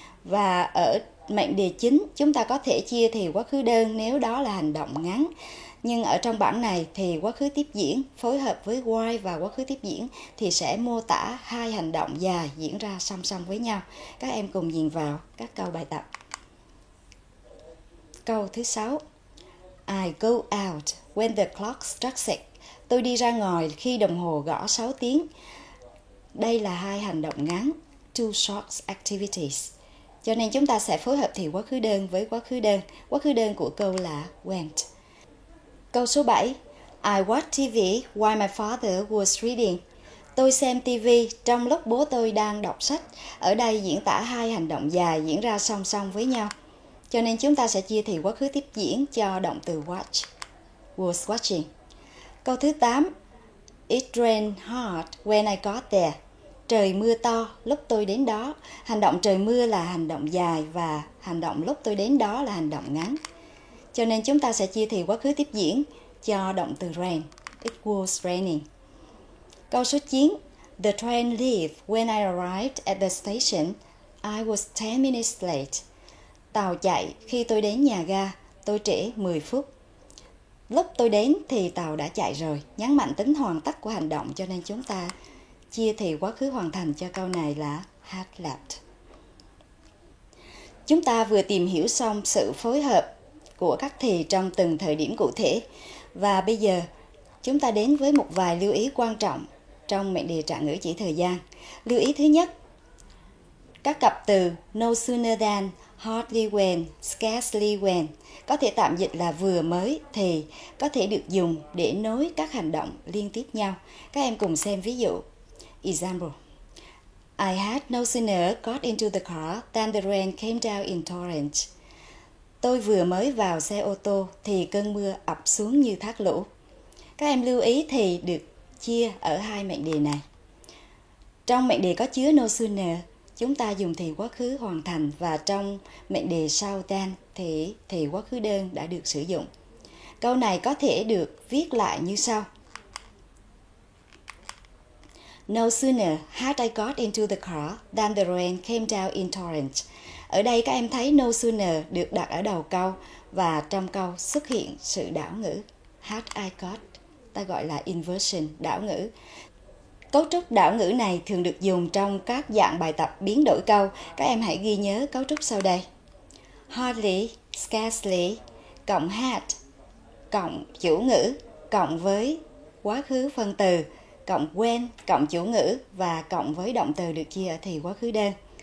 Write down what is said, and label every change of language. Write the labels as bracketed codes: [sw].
[vi] Và ở mệnh đề chính chúng ta có thể chia thì quá khứ đơn nếu đó là hành động ngắn. Nhưng ở trong bảng này thì quá khứ tiếp diễn phối hợp với while và quá khứ tiếp diễn thì sẽ mô tả hai hành động dài diễn ra song song với nhau. Các em cùng nhìn vào các câu bài tập. Câu thứ 6. [en] I go out when the clock struck six. [vi] Tôi đi ra ngoài khi đồng hồ gõ 6 tiếng. Đây là hai hành động ngắn, [en] two short activities. [vi] Cho nên chúng ta sẽ phối hợp thì quá khứ đơn với quá khứ đơn. Quá khứ đơn của câu là went. Câu số 7. [en] I watch TV while my father was reading. [vi] Tôi xem TV trong lúc bố tôi đang đọc sách. Ở đây diễn tả hai hành động dài diễn ra song song với nhau. Cho nên chúng ta sẽ chia thì quá khứ tiếp diễn cho động từ watch, [en] was watching. [vi] Câu thứ 8. [en] It rained hard when I got there. [vi] Trời mưa to lúc tôi đến đó. Hành động trời mưa là hành động dài và hành động lúc tôi đến đó là hành động ngắn. Cho nên chúng ta sẽ chia thì quá khứ tiếp diễn cho động từ rain, [en] it was raining. [vi] Câu số 9. [en] The train left when I arrived at the station. I was 10 minutes late. [vi] Tàu chạy khi tôi đến nhà ga, tôi trễ 10 phút. Lúc tôi đến thì tàu đã chạy rồi, nhấn mạnh tính hoàn tất của hành động cho nên chúng ta chia thì quá khứ hoàn thành cho câu này là had left. Chúng ta vừa tìm hiểu xong sự phối hợp của các thì trong từng thời điểm cụ thể và bây giờ chúng ta đến với một vài lưu ý quan trọng trong mệnh đề trạng ngữ chỉ thời gian. Lưu ý thứ nhất, các cặp từ no sooner than, hardly when, scarcely when có thể tạm dịch là vừa mới thì có thể được dùng để nối các hành động liên tiếp nhau. Các em cùng xem ví dụ. Example. [en] I had no sooner got into the car than the rain came down in torrents. [vi] Tôi vừa mới vào xe ô tô thì cơn mưa ập xuống như thác lũ. Các em lưu ý thì được chia ở hai mệnh đề này. Trong mệnh đề có chứa no sooner, chúng ta dùng thì quá khứ hoàn thành và trong mệnh đề sau tan thì quá khứ đơn đã được sử dụng. Câu này có thể được viết lại như sau. [en] No sooner had I got into the car than the rain came down in torrents. [vi] Ở đây các em thấy no sooner được đặt ở đầu câu và trong câu xuất hiện sự đảo ngữ. [en] Had I got, [vi] ta gọi là inversion, đảo ngữ. Cấu trúc đảo ngữ này thường được dùng trong các dạng bài tập biến đổi câu. Các em hãy ghi nhớ cấu trúc sau đây. Hardly, scarcely, cộng had, cộng chủ ngữ, cộng với quá khứ phân từ, cộng when, cộng chủ ngữ và cộng với động từ được chia ở thì quá khứ đơn.